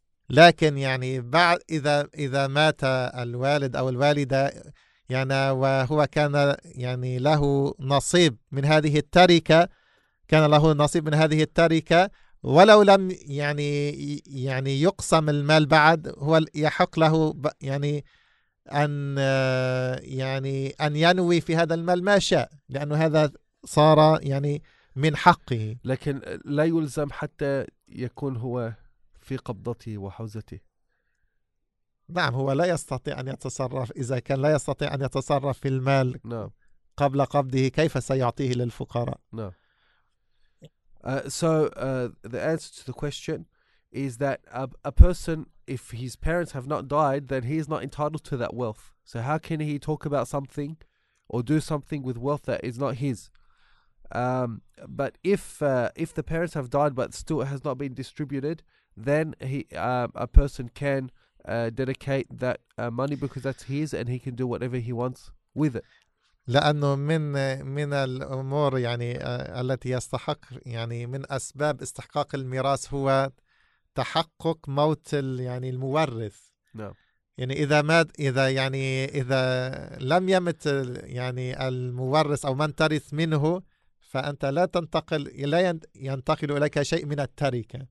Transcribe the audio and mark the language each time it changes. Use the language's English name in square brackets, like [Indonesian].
[Arabic] لكن يعني بعد إذا مات الوالد أو الوالدة يعني وهو كان يعني له نصيب من هذه التركة ولو لم يعني يقسم المال بعد هو يحق له يعني أن ينوي في هذا المال ما شاء لأنه هذا صار يعني من حقه. لكن لا يلزم حتى يكون هو في قبضته وحوزته. نعم هو لا يستطيع أن يتصرف إذا كان لا يستطيع أن يتصرف في المال. نعم. قبل قبضه كيف سيعطيه للفقراء؟ نعم. [English] The answer to the question is that a person, if his parents have not died, then he is not entitled to that wealth. So how can he talk about something or do something with wealth that is not his? But if the parents have died but still has not been distributed, then a person can dedicate that money because that's his and he can do whatever he wants with it. [Arabic] لأنه من الأمور يعني التي يستحق يعني من أسباب استحقاق الميراث هو تحقق موت يعني المورث. نعم. يعني إذا مات إذا لم يمت يعني المورث أو من ترث منه فأنت لا ينتقل إليك شيء من التركة.